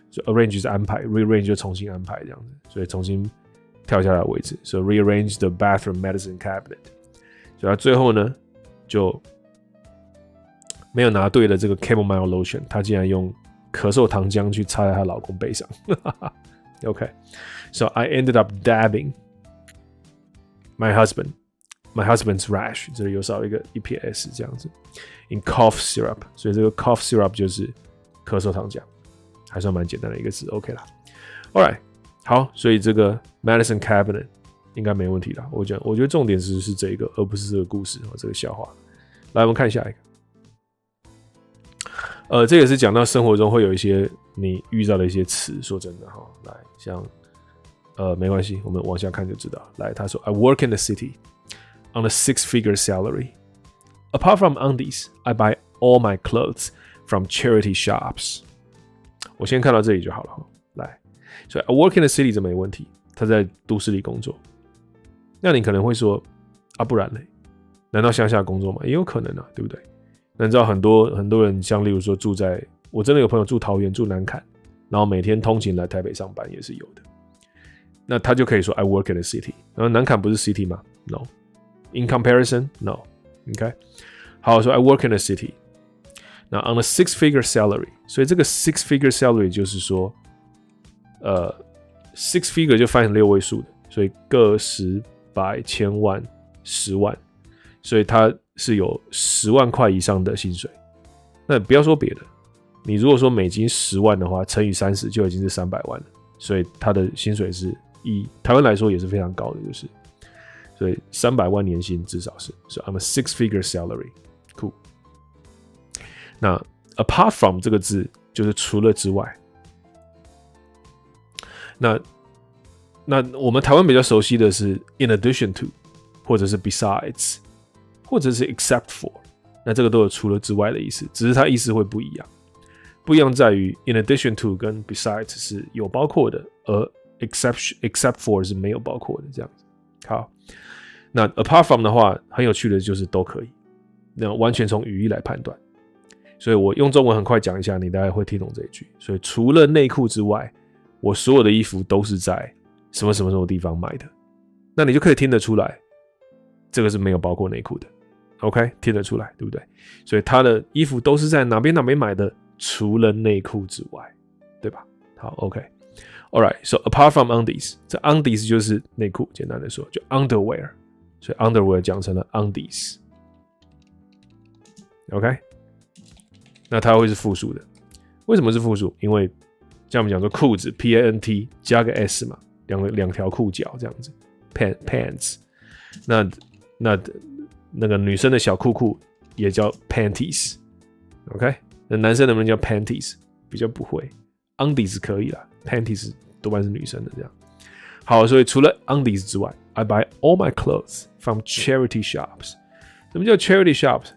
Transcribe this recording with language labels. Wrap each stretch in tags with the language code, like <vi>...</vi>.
<zh>So arrange 是安排 ，rearrange 就重新安排这样子，所以重新跳下来的位置。</zh> <en>So rearrange the bathroom medicine cabinet.</en> <zh>所以他最后呢，就没有拿对的这个 Camomile lotion， 他竟然用咳嗽糖浆去擦在他老公背上。</zh> <en>OK， so I ended up dabbing my husband's rash，</en> <zh>这里有少一个 EPS 这样子 ，</zh> <en>in cough syrup，</en> <zh>所以这个 cough syrup 就是咳嗽糖浆，还算蛮简单的一个字 ，OK 啦。 All right， 好，所以这个 medicine cabinet 应该没问题啦。我觉得重点是这一个，而不是这个故事和这个笑话。来，我们看下一个。这也是讲到生活中会有一些你遇到的一些词。说真的哈，来，像没关系，我们往下看就知道。</zh> <en>来，他说 ，I work in the city。 On a six-figure salary. Apart from undies, I buy all my clothes from charity shops.</en> <zh>我先看到这里就好了。来，所以</zh> <en>I work in the city</en> <zh>这没问题，他在都市里工作。那你可能会说，啊，不然呢？难道乡下工作吗？也有可能啊，对不对？那你知道很多人，像例如说住在，我真的有朋友住桃园，住南崁，然后每天通勤来台北上班也是有的。那他就可以说</zh> <en>I work in the city.</en> <zh>然后南崁不是 city 吗 ？No.</zh> <en>In comparison, no. Okay. 好 so I work in a city. Now, on a six-figure salary.</en> <zh>所以这个 six-figure salary 就是说six-figure 就翻成六位数的。所以个十百千万十万。所以它是有十万块以上的薪水。那不要说别的。你如果说美金十万的话乘以三十就已经是三百万了。所以它的薪水是以台湾来说也是非常高的就是。所以三百万年薪至少是 ，</zh> <en>so I'm a six-figure salary， cool。</en> <zh>那 apart from 这个字就是除了之外，那我们台湾比较熟悉的是 in addition to， 或者是 besides， 或者是 except for， 那这个都有除了之外的意思，只是它意思会不一样。不一样在于 in addition to 跟 besides 是有包括的，而 except for 是没有包括的，这样子。好。那 apart from 的话，很有趣的就是都可以，那完全从语义来判断。所以我用中文很快讲一下，你大概会听懂这一句。所以除了内裤之外，我所有的衣服都是在什么什么什么地方买的。那你就可以听得出来，这个是没有包括内裤的。 OK， 听得出来，对不对？所以他的衣服都是在哪边哪边买的，除了内裤之外，对吧？好 ，OK。</zh> <en>All right， so apart from undies，</en> <zh>这 undies 就是内裤，简单的说，就 underwear。所以 underwear 讲成了 undies， OK， 那它会是复数的。为什么是复数？因为像我们讲说裤子 pant 加个 s 嘛，两条裤脚这样子 pants， 那个女生的小裤裤也叫 panties， OK， 那男生能不能叫 panties？比较不会， undies 可以啦， panties 多半是女生的这样。好，所以除了 undies 之外，</zh> <en>I buy all my clothes from charity shops。</en> <zh>什么叫 charity shops？</zh>